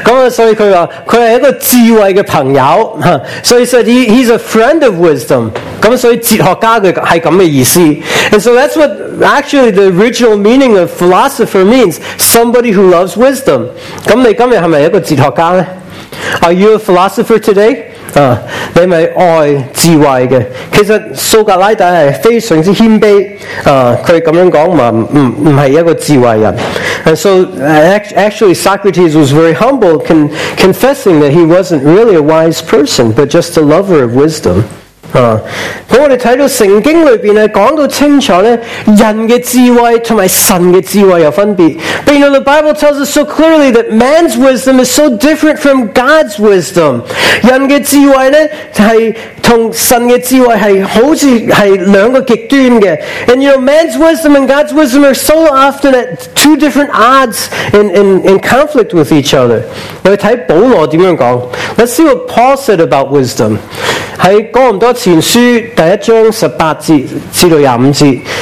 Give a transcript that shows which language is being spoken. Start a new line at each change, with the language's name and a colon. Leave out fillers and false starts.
Chinese: 所以他说他是一个智慧的朋友。
English: So he said he's a friend of wisdom.
Chinese: 所以哲学家是这样的意思。
English: And so that's what actually the original meaning of philosopher means, somebody who loves wisdom.
Chinese: 那你今天是不是一个哲学家呢？
English: Are you a philosopher today?
Chinese: 你是爱智慧的。其实苏格拉底是非常之谦卑，他这样说不是一个智慧人。
English: And so actually Socrates was very humble, confessing that he wasn't really a wise person, but just a lover of wisdom.
Chinese: 我们看到圣经里面讲到清楚，人的智慧和神的智慧有分别。
English: But you know, the Bible tells us so clearly that man's wisdom is so different from God's wisdom.
Chinese: 人的智慧是跟神的智慧是好像是两个极端的。
English: And you know, man's wisdom and God's wisdom are so often at two different odds in conflict with each other.
Chinese: 我们看保罗怎么说。
English: Let's see what Paul said about wisdom.
Chinese: 在哥林多前书第一章18节至25节，